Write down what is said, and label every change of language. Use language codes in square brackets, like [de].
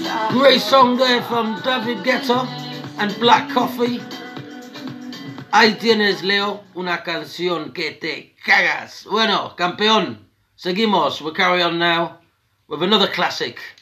[en] Great song there from David Guetta and Black Coffee. [es] Ahí tienes, Leo, una canción que te cagas. Bueno, campeón, seguimos. [en] We'll carry on now with another classic.